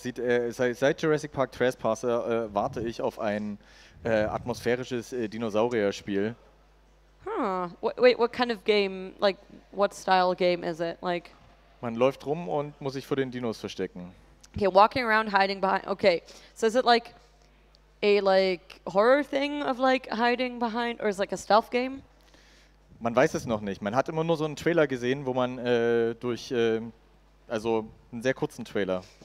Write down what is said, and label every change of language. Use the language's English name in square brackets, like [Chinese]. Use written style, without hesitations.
[German] Sieht, seit Jurassic Park Trespasser warte ich auf ein atmosphärisches Dinosaurier-Spiel. [English] Wait, what kind of game, like, what style game is it, like? [German] Man läuft rum und muss sich vor den Dinos verstecken. [English] Okay, walking around, hiding behind, okay. So is it like a, like, horror thing of, like, hiding behind, or is it like a stealth game? [German] Man weiß es noch nicht. Man hat immer nur so einen Trailer gesehen, wo man durch, also einen sehr kurzen Trailer.